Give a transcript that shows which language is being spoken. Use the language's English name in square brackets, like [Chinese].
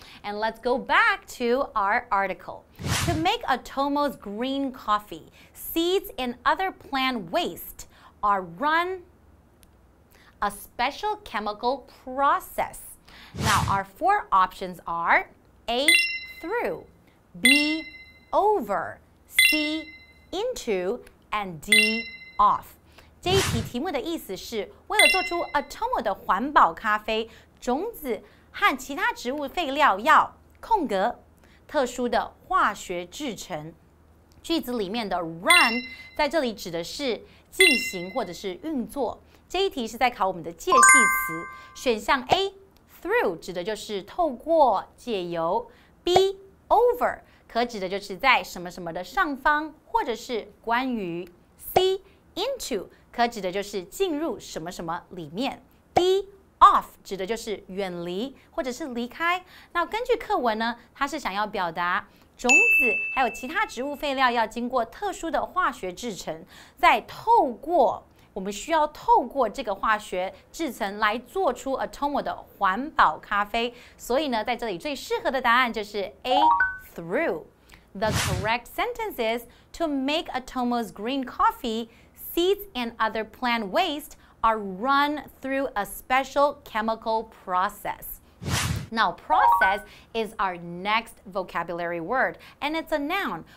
[English] And let's go back to our article. To make Atomo's green coffee,Seeds and other plant waste are run a special chemical process. Now, our four options are A, through, B, over, C, into, and D, off. [Chinese] 这一题题目的意思是，为了做出 Atomo 的环保咖啡，种子和其他植物废料要空格特殊的化学制成。句子里面的 run 在这里指的是进行或者是运作。这一题是在考我们的介系词。选项 A, through 指的就是透过、借由。 B, over 可指的就是在什么什么的上方或者是关于。 C, into 可指的就是进入什么什么里面。 D,off 指的就是远离或者是离开。那根据课文呢，它是想要表达种子还有其他植物废料要经过特殊的化学制程，再透过我们需要透过这个化学制程来做出 Atomo 的环保咖啡。所以呢，在这里最适合的答案就是 A, through. [English] The correct sentence is, to make Atomo's green coffee, seeds and other plant wasteare run through a special chemical process. Now, process is our next vocabulary word, and it's a noun.